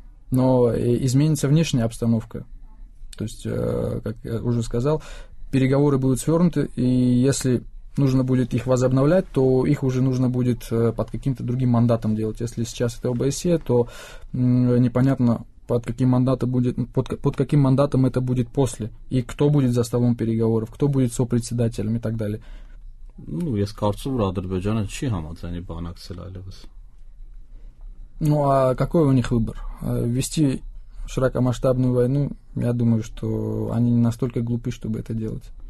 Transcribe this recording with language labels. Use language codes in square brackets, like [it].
[ru] Но изменится внешняя обстановка. То есть, как я уже сказал, переговоры будут свернуты, и если нужно будет их возобновлять, то их уже нужно будет под каким-то другим мандатом делать. Если сейчас это ОБСЕ, то непонятно, под каким мандатом это будет после, и кто будет за столом переговоров, кто будет сопредседателем и так далее. [hy] Ну, ես կարծում որ Ադրբեջանը չի համաձայնի բանակցել այլևս։ [ru] Ну, а какой у них выбор? Вести широкомасштабную войну, я думаю, что они не настолько глупы, чтобы это делать.